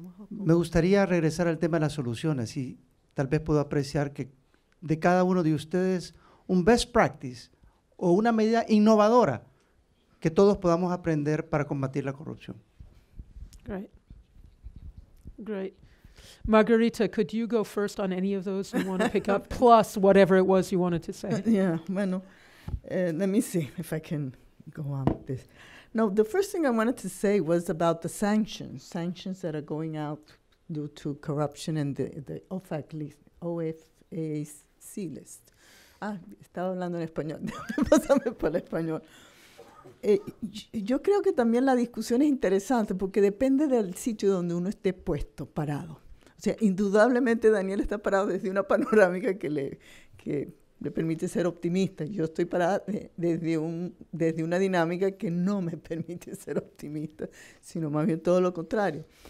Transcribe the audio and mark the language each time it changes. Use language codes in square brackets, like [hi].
[es] Me gustaría regresar al tema de las soluciones y tal vez puedo apreciar que de cada uno de ustedes un best practice o una medida innovadora que todos podamos aprender para combatir la corrupción. [en] Great. Great. Margarita, could you go first on any of those you want to pick up, plus whatever it was you wanted to say? Yeah, bueno, let me see if I can go on with this. No, the first thing I wanted to say was about the sanctions that are going out due to corruption and the OFAC list, OFAC list. [es] Ah, estaba hablando en español. Pásame por el español. Yo creo que también la discusión es interesante porque depende del sitio donde uno esté puesto, parado. O sea, indudablemente Daniel está parado desde una panorámica que le permite ser optimista. Yo estoy parada desde una dinámica que no me permite ser optimista, sino más bien todo lo contrario.